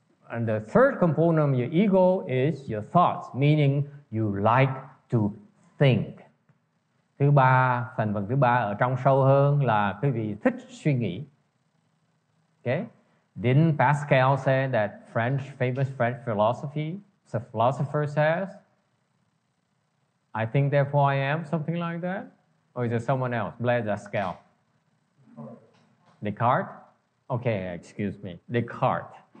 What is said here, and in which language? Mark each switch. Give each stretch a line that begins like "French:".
English: And the third component of your ego is your thoughts, meaning you like to think.
Vietnamese: Thứ ba, thành phần thứ ba ở trong sâu hơn là quý vị thích suy nghĩ.
English: Okay. Didn't Pascal say that famous French philosopher says, I think therefore I am, something like that? Or is it someone else? Blaise Pascal. Descartes? Okay, excuse me. Descartes.